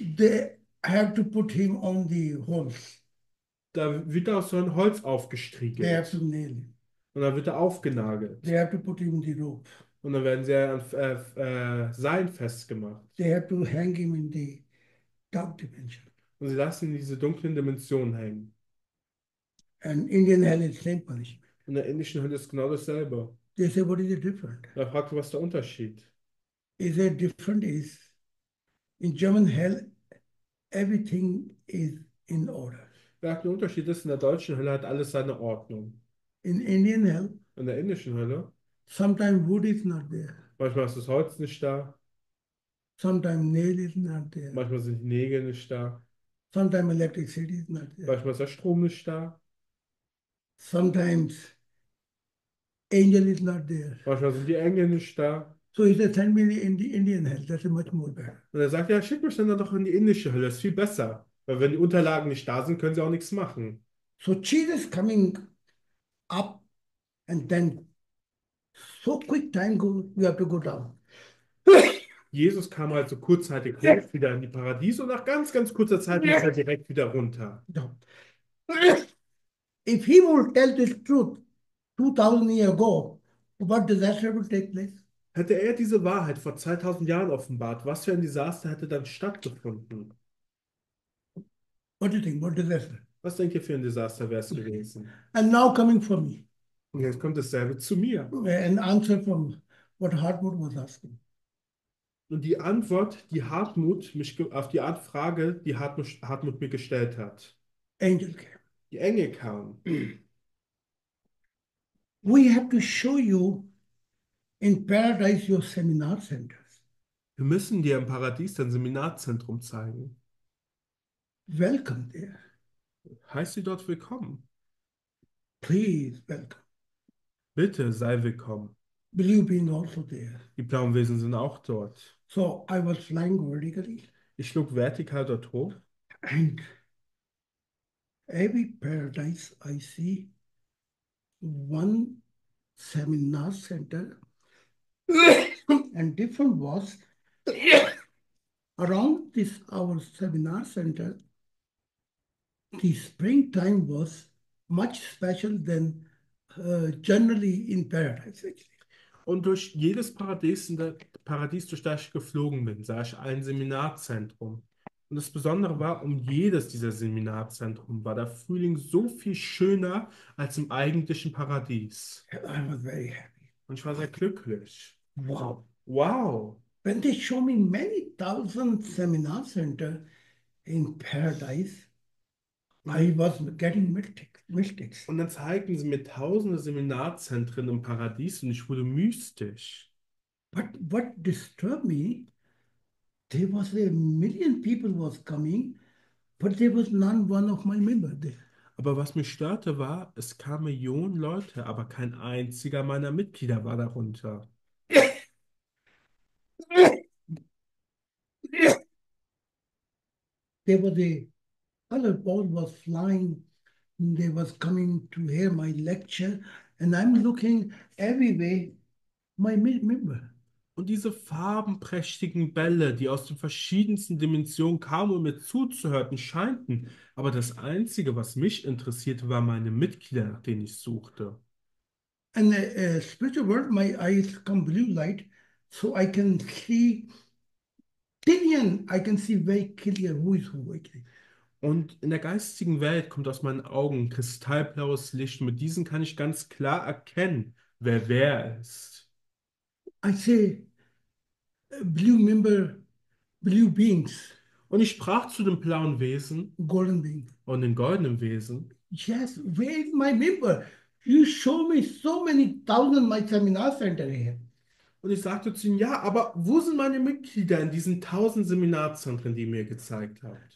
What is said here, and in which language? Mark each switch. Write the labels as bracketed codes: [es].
[en] they have to put him on the holes. [de] da wird er aus so einem Holz [en] They have to [de] aufgestriegelt. [en] nail him. [de] Und dann wird er aufgenagelt. [en] They have to put him in the rope. [de] Und dann werden sie an Seilen festgemacht. [en] They have to hang him in the dark dimension. [de] Und sie lassen ihn in diese dunklen Dimensionen hängen. [en] And Indian hell is same punishment. [de] In der indischen Hölle ist genau dasselbe. [en] They say, what is the difference? [de] Und er fragte: Was ist der Unterschied? [en] Is a different is in German hell everything is in order. [de] Der Unterschied ist: In der deutschen Hölle hat alles seine Ordnung. [en] In Indian hell, [de] In der indischen Hölle, [en] sometimes wood is not there. [de] manchmal ist das Holz nicht da, [en] Sometimes nail is not there. [de] manchmal sind die Nägel nicht da, [en] Sometimes electricity is not there. [de] manchmal ist der Strom nicht da, [en] Sometimes angel is not there. [de] manchmal sind die Engel nicht da. [en] So he said, send me in the Indian hell. That's much more better. [de] Und er sagt: Ja, schick mich dann doch in die indische Hölle, das ist viel besser. Weil wenn die Unterlagen nicht da sind, können sie auch nichts machen. [en] So Jesus coming up and then so quick time go, you have to go down. [de] Jesus kam also kurzzeitig Yeah. hoch, wieder in die Paradies, und nach ganz, ganz kurzer Zeit ist er Yeah. direkt wieder runter. [en] No. If he would tell this truth 2000 years ago, what disaster would take place? [de] Hätte er diese Wahrheit vor 2000 Jahren offenbart, was für ein Desaster hätte dann stattgefunden? [en] What do you think? What disaster? [de] Was denkt ihr, für ein Desaster wäre es gewesen? [en] And now coming for me. [de] Und jetzt kommt dasselbe zu mir. [en] An answer from what Hartmut was asking. [de] Und die Antwort, die Hartmut mich auf die Frage, die Hartmut mir gestellt hat. [en] Angel came. [de] Die Engel kamen. [en] We have to show you in paradise your seminar centers. [de] Wir müssen dir im Paradies dein Seminarzentrum zeigen. [en] Welcome there. [de] Heißt sie dort willkommen? [en] Please welcome. [de] Bitte sei willkommen. [en] Believe being also there. [de] Die blauen Wesen sind auch dort. [en] So I was flying vertically. [de] Ich schlug vertikal dort hoch. [en] And every paradise I see, one seminar center and different walls around this our seminar center. The springtime was much special than generally in paradise, actually. [de] Und durch jedes Paradies, durch das ich geflogen bin, sah ich ein Seminarzentrum. Und das Besondere war, um jedes dieser Seminarzentren war der Frühling so viel schöner als im eigentlichen Paradies. [en] I was very happy. [de] Und ich war sehr glücklich. Wow. Wow! [en] When they show me many thousand seminar center in paradise, I was getting mystics. [de] Und dann zeigten sie mir tausende Seminarzentren im Paradies und ich wurde mystisch. [en] But what disturbed me, there was a million people was coming, but there was none one of my member there. [de] Aber was mich störte, war, es kamen Millionen Leute, aber kein einziger meiner Mitglieder war darunter. [en] There was a other ball was flying, and they was coming to hear my lecture, and I'm looking every way my member. [de] Und diese farbenprächtigen Bälle, die aus den verschiedensten Dimensionen kamen und mir zuzuhörten, scheinten. Aber das Einzige, was mich interessierte, war meine Mitglieder, nach denen ich suchte. [en] And the spiritual world, my eyes come blue light, so I can see. Killian, I can see very clear who is who actually. [de] Und in der geistigen Welt kommt aus meinen Augen kristallblaues Licht. Mit diesem kann ich ganz klar erkennen, wer ist. [en] I say blue member, blue beings, [de] Und ich sprach zu dem blauen Wesen [en] golden being. [de] und dem goldenen Wesen. [en] Yes, where is my member? You show me so many thousand my seminar center here. [de] Und ich sagte zu ihm, ja, aber wo sind meine Mitglieder in diesen tausend Seminarzentren, die ihr mir gezeigt habt?